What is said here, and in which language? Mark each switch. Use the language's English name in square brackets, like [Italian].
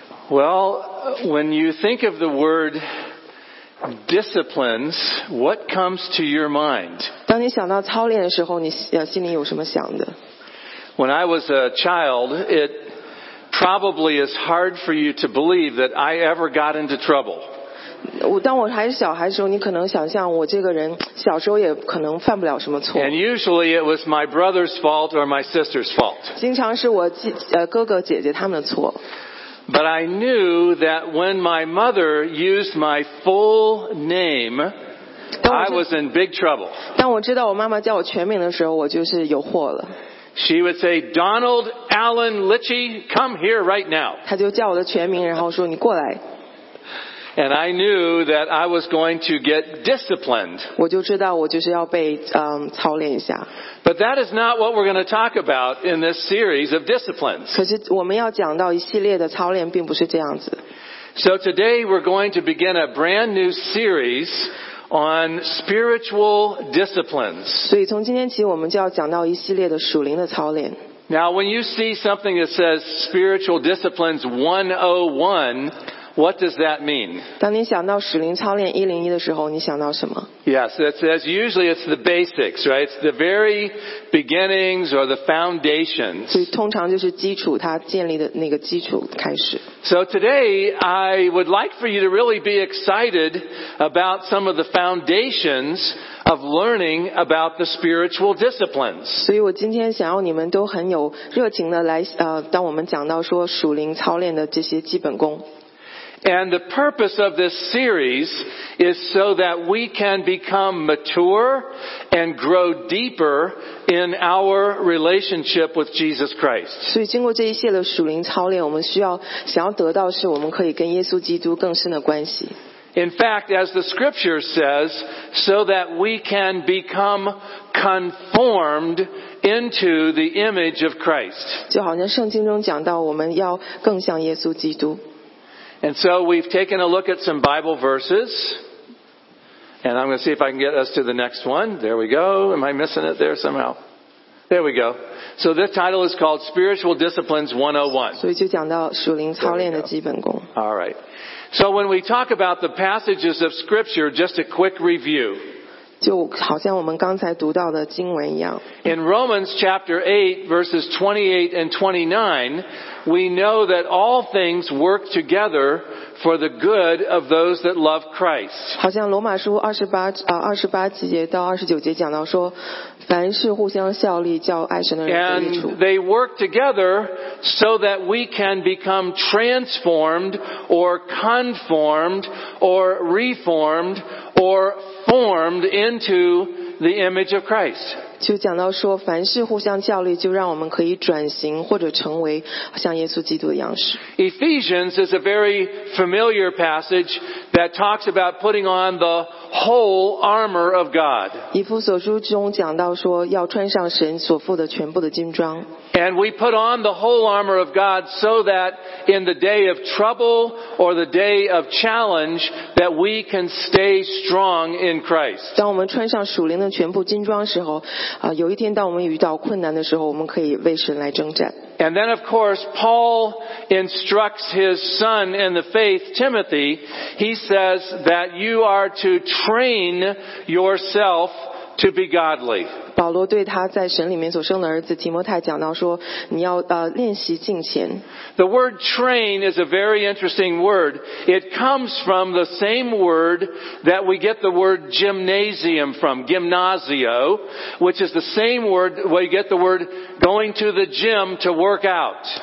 [English] Well, when you think of the word disciplines, what comes to your mind? [Chinese] 当你想到操练的时候，你心里有什么想的？ [English] When I was a child, it probably is hard for you to believe that I ever got into trouble. [Chinese] 当我还是小孩的时候，你可能想象我这个人小时候也可能犯不了什么错。 [English] And usually it was my brother's fault or my sister's fault. [Chinese] 经常是我哥哥姐姐他们的错。 [English] But I knew that when my mother used my full name, I was in big trouble. [Chinese] 当我知道我妈妈叫我全名的时候，我就是有祸了。 [English] She would say, Donald Allen Litchie, come here right now. [Chinese] 他就叫我的全名，然后说你过来。 [English] And I knew that I was going to get disciplined. [Chinese] 我就知道我就是要被操练一下。 [English] But that is not what we're going to talk about in this series of disciplines. [Chinese] 可是我们要讲到一系列的操练并不是这样子。 [English] So today we're going to begin a brand new series on spiritual disciplines. [Chinese] 所以从今天起我们就要讲到一系列的属灵的操练。 [English] Now, when you see something that says spiritual disciplines 101, What does that mean? [Chinese] 当你想到属灵操练101的时候，你想到什么？ [English] Yes, that's usually it's the basics, right? It's the very beginnings or the foundations. [Chinese] 所以通常就是基础，它建立的那个基础开始。 [English] So today, I would like for you to really be excited about some of the foundations of learning about the spiritual disciplines. [Chinese] 所以我今天想要你们都很有热情的来当我们讲到说属灵操练的这些基本功。 [English] And the purpose of this series is so that we can become mature and grow deeper in our relationship with Jesus Christ. [Chinese] 所以经过这一系列属灵操练，我们需要想要得到是我们可以跟耶稣基督更深的关系。 [English] In fact, as the scripture says, so that we can become conformed into the image of Christ. [Chinese] 就好像圣经中讲到，我们要更像耶稣基督。 [English] And so we've taken a look at some Bible verses. And I'm going to see if I can get us to the next one. There we go. Am I missing it there somehow? There we go. So this title is called Spiritual Disciplines 101. [Chinese] 所以就讲到属灵操练的基本功。 [English] All right. So when we talk about the passages of Scripture, just a quick review. [Chinese] 就好像我们刚才读到的经文一样。 [English] In Romans chapter 8, verses 28 and 29, we know that all things work together for the good of those that love Christ. [Chinese] 好像罗马书28节到29节讲到说，凡事互相效力，叫爱神的人得益处。 [English] And they work together so that we can become transformed or conformed or reformed or formed into the image of Christ. [Chinese] 就讲到说，凡事互相效力，就让我们可以转型或者成为像耶稣基督的样式。 [English] Ephesians is a very familiar passage that talks about putting on the whole armor of God. [Chinese] 以弗所书中讲到说，要穿上神所付的全部的军装。 [English] And we put on the whole armor of God so that in the day of trouble or the day of challenge that we can stay strong in Christ. [Chinese] 当我们穿上属灵的全部军装时候，有一天当我们遇到困难的时候，我们可以为神来征战。 [English] And then, of course, Paul instructs his son in the faith, Timothy. He says that you are to train yourself to be godly. [Chinese] 保罗对他在神里面所生的儿子提摩太讲到说，你要练习敬虔。 [English] The word train is a very interesting word. It comes from the same word that we get the word gymnasium from, gymnasio, which is the same word where you get the word going to the gym to work out.